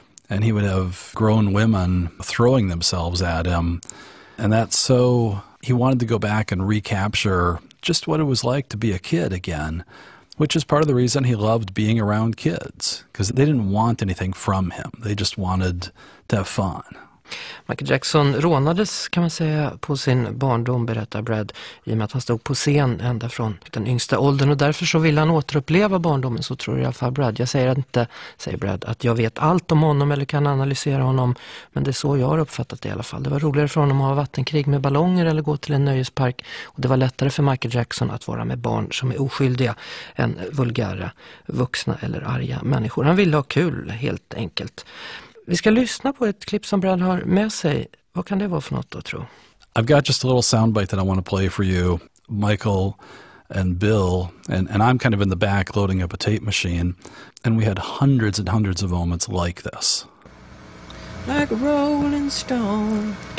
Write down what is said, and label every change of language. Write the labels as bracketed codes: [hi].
[en] And he would have grown women throwing themselves at him. And that's so he wanted to go back and recapture just what it was like to be a kid again, which is part of the reason he loved being around kids, because they didn't want anything from him. They just wanted to have fun. [sv] Michael Jackson rånades, kan man säga, på sin barndom, berättar Brad, i och med att han stod på scen ända från den yngsta åldern, och därför så vill han återuppleva barndomen, så tror jag i alla fall Brad. Jag säger inte, säger Brad, att jag vet allt om honom eller kan analysera honom, men det är så jag har uppfattat det i alla fall. Det var roligare för honom att ha vattenkrig med ballonger eller gå till en nöjespark, och det var lättare för Michael Jackson att vara med barn som är oskyldiga än vulgära vuxna eller arga människor. Han ville ha kul, helt enkelt. Vi ska lyssna på ett klipp som Brad har med sig. Vad kan det vara för något då, tro? [en] I've got just a little soundbite that I want to play for you. Michael and Bill, and I'm kind of in the back loading up a tape machine, and we had hundreds and hundreds of moments like this. Like a rolling stone.